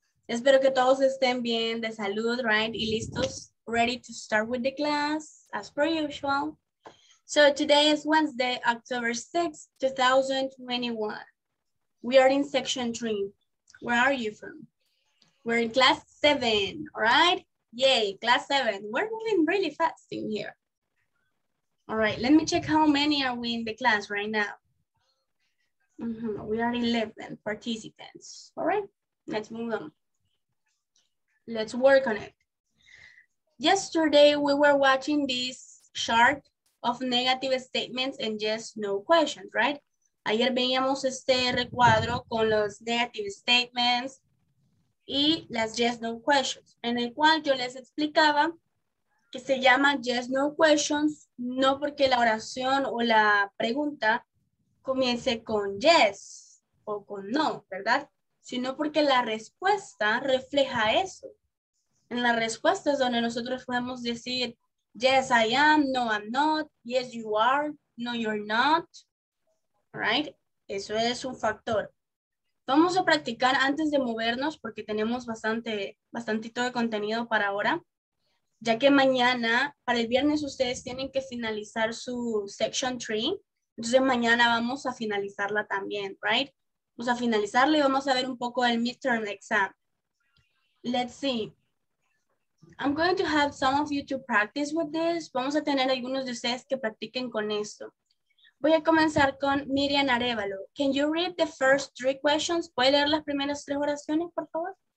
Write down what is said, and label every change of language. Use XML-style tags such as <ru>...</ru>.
<es>Espero que todos estén bien de salud, right? Y listos,</es> <en>ready to start with the class as per usual. So today is Wednesday, October 6th, 2021. We are in section 3. Where are you from? We're in class 7, all right? Yay, class 7. We're moving really fast in here. All right, let me check how many are we in the class right now. We are 11 participants. All right, let's move on. Let's work on it. Yesterday, we were watching this chart of negative statements and just no questions, right?</en> <es>Ayer veíamos este recuadro con los negative statements y las yes, no questions, en el cual yo les explicaba que se llama yes, no questions, no porque la oración o la pregunta comience con yes o con no, ¿verdad? Sino porque la respuesta refleja eso. En la respuesta es donde nosotros podemos decir</es> <en>yes, I am, no, I'm not, yes, you are, no, you're not, right?</en> <es>Eso es un factor. Vamos a practicar antes de movernos porque tenemos bastantito de contenido para ahora, ya que mañana, para el viernes, ustedes tienen que finalizar su section 3. Entonces mañana vamos a finalizarla también, right? Vamos a finalizarla y vamos a ver un poco el midterm exam.</es> <en>Let's see. I'm going to have some of you to practice with this.</en> <es>Vamos a tener algunos de ustedes que practiquen con esto. Voy a comenzar con Miriam Arevalo.</es> <en>Can you read the first three questions?</en> <es>¿Puede leer las primeras tres oraciones, por favor?</es>